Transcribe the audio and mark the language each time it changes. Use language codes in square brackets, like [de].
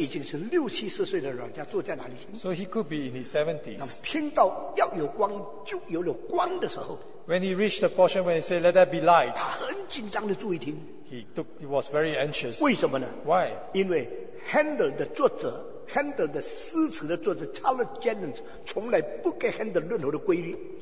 [zh] 已经是六七十岁的老人家坐在哪里？ [en] So he could be in his 70s. [zh] 那么听到要有光就有了光的时候。 [en] When he reached the portion where he said, "Let there be light." [zh] 他很紧张地注意听。 [en] He was very anxious. [zh] 为什么呢？ [en] Why? [zh] 因为 Handel 的作者， Handel 的诗词的作者 Charles Jennens 从来不给 Handel 任何的规律。